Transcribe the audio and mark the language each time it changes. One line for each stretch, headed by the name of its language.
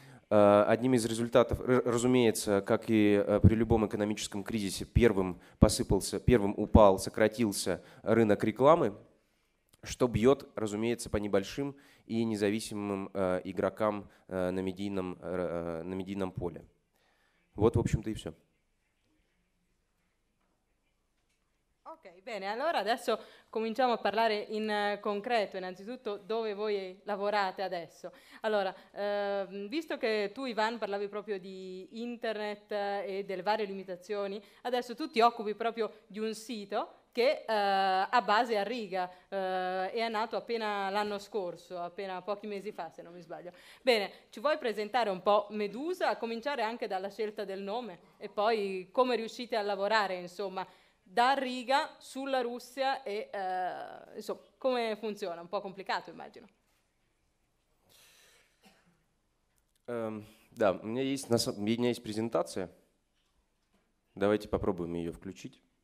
Russian: Одним из результатов, разумеется, как и при любом экономическом кризисе, первым сократился рынок рекламы, что бьет, разумеется, по небольшим и независимым игрокам на медийном поле. Вот, в общем-то, и все.
Italian: Okay, bene, allora adesso cominciamo a parlare in concreto, innanzitutto dove voi lavorate adesso. Allora, visto che tu, Ivan, parlavi proprio di internet e delle varie limitazioni, adesso tu ti occupi proprio di un sito che ha base a Riga e è nato appena l'anno scorso, appena pochi mesi fa, se non mi sbaglio. Bene, ci vuoi presentare un po' Medusa, a cominciare anche dalla scelta del nome e poi come riuscite a lavorare, insomma, da Riga sulla Russia e insomma, come funziona? Un po' complicato, immagino.
Russian: Да, у меня есть презентация. Давайте попробуем ее включить.